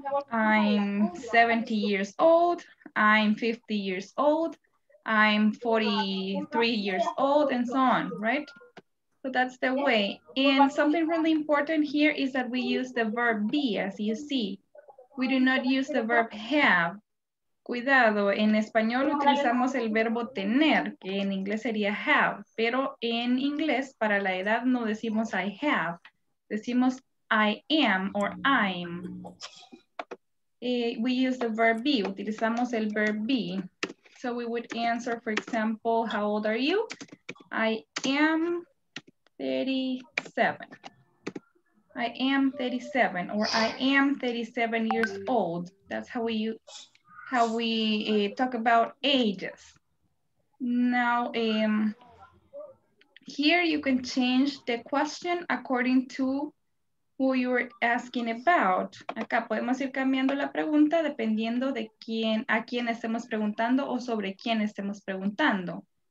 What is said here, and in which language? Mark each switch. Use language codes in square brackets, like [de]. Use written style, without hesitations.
[en] I'm 70 years old. I'm 50 years old. I'm 43 years old, and so on, right? So that's the way. And something really important here is that we use the verb be, as you see. We do not use the verb have. [es] Cuidado, en español utilizamos el verbo tener, que en inglés sería have. Pero en inglés, para la edad, no decimos [en] I have. [es] Decimos [en] I am or I'm. We use the verb be, [es] utilizamos el [en] verb be. So we would answer, for example, how old are you? I am 37. I am 37, or I am 37 years old. That's how we talk about ages. Now, here you can change the question according to who you're asking about. [es] Acá podemos ir cambiando la pregunta dependiendo de quién, a quién estemos preguntando o sobre quién estemos preguntando.